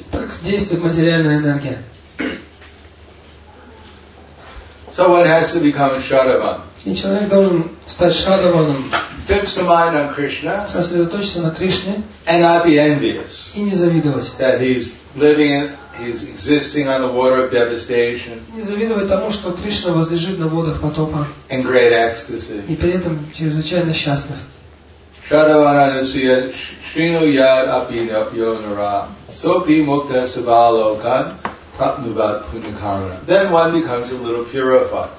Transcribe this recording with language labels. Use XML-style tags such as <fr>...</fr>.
<ru>Так действует материальная энергия.</ru> <en>So one has to become a Shraddhavan.</en> <ru>И человек должен стать Shraddhavanом.</ru> <en>Fix the mind on Krishna.</en> <ru>Сосредоточиться на Кришне.</ru> <en>And not be envious.</en> <ru>И не завидовать.</ru> <en>That he's living in, he's existing on the water of devastation.</en> <ru>Не завидовать тому, что Кришна возлежит на водах потопа.</ru> <en>In great ecstasy.</en> <ru>И при этом чрезвычайно счастлив.</ru> <sa>Shraddhavananasya shrinu yad apinapyo nara sopi mukta sabalokan prapnubat punakarana.</sa> <en>Then one becomes a little purified.</en>